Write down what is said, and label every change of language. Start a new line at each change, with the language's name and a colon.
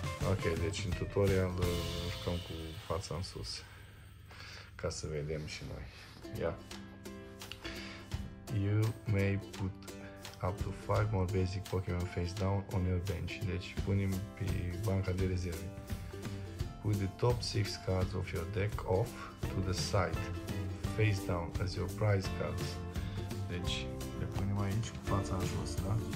Romanian: Ok, deci în tutorial jucăm cu fața în sus, ca să vedem și noi. Ia.
English: You may put up to 5 more basic Pokemon face down on your bench.
Romanian: Deci punem pe banca de rezerve.
English: Put the top 6 cards of your deck off to the side, face down as your prize cards.
Romanian: Deci le punem aici cu fața în jos, da?